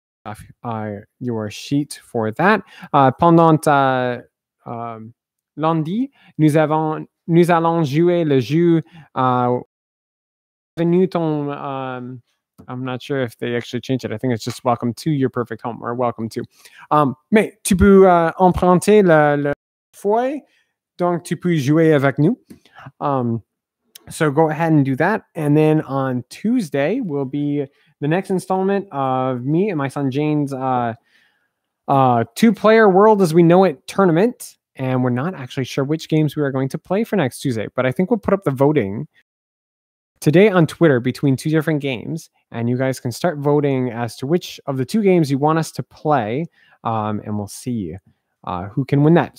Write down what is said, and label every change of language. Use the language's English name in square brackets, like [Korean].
[English] off your sheet for that. [French] Pendant lundi, nous allons jouer le jeu. [English] I'm not sure if they actually changed it. I think it's just welcome to your perfect home or welcome to. [French] Mais tu peux emprunter le foyer, donc tu peux jouer avec nous. [English] So go ahead and do that. And then on Tuesday will be the next installment of me and my son Jane's two-player World as We Know It tournament. And we're not actually sure which games we are going to play for next Tuesday, but I think we'll put up the voting today on Twitter between two different games, and you guys can start voting as to which of the two games you want us to play, and we'll see who can win that.